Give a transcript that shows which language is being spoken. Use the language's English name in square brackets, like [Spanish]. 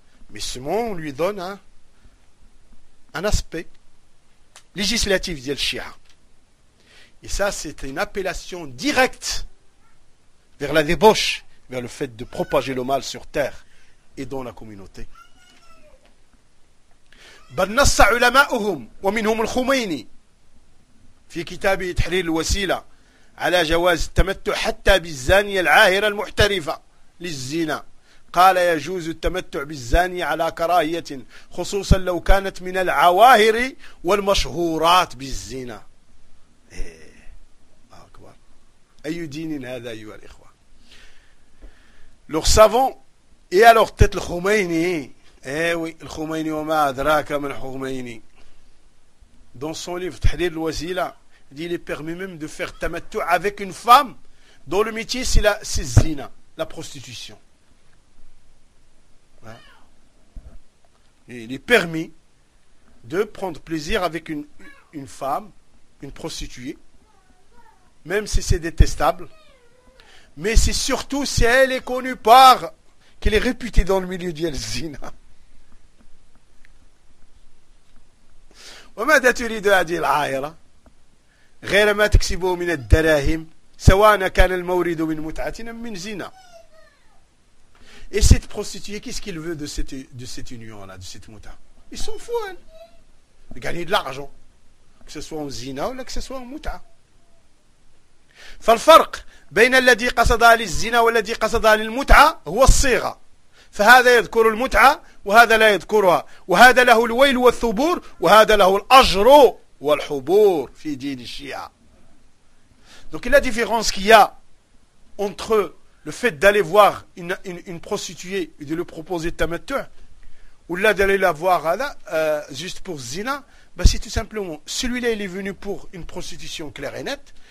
[French] Mais ce mot, on lui donne un aspect législatif d'El Shia. Et ça, c'est une appellation directe vers la débauche, vers le fait de propager le mal sur terre et dans la communauté. [Arabic] بل نص علماؤهم ومنهم الخميني في كتابه تحرير الوسيلة على جواز التمتع حتى بالزانية العاهرة المحترفة للزنا، قال يجوز التمتع بالزانية على كراهية خصوصا لو كانت من العواهر والمشهورات بالزنا. أكبر. أي دين هذا أيها الإخوة؟ [French] Leurs savants et à leur tête le Khomeini. Eh oui, le Khomeini Omar Draka Mel Khomeini. Dans son livre Tahrir al-Wasila, il est permis même de faire tamattu avec une femme dont le métier c'est la zina, la prostitution. Ouais. Il est permis de prendre plaisir avec une femme, une prostituée, même si c'est détestable. Mais c'est surtout si elle est connue par qu'elle est réputée dans le milieu du Al-Zina. [Arabic] وما تريد هذه العائرة غير ما تكسبه من الدراهم سواء كان المورد من متعة أم من زنا. [French] Et cette prostituée, qu'est-ce qu'il veut de cette union-là, de cette muta? Il s'en fout, elle. Gagner de l'argent, que ce soit en zina ou que ce soit en muta. [Arabic] فالفرق بين الذي قصد للزنا والذي قصد للمتعة هو الصيغة، فهذا يذكر المتعة وهذا لا يذكرها، وهذا له الويل والثبور وهذا له الأجر والحبور في دين الشيعة. [French] Donc la différence qu'il y a entre le fait d'aller voir une prostituée et de lui proposer de tamattu ou là d'aller la voir juste pour zina, bah c'est tout simplement celui-là il est venu pour une prostitution claire et nette.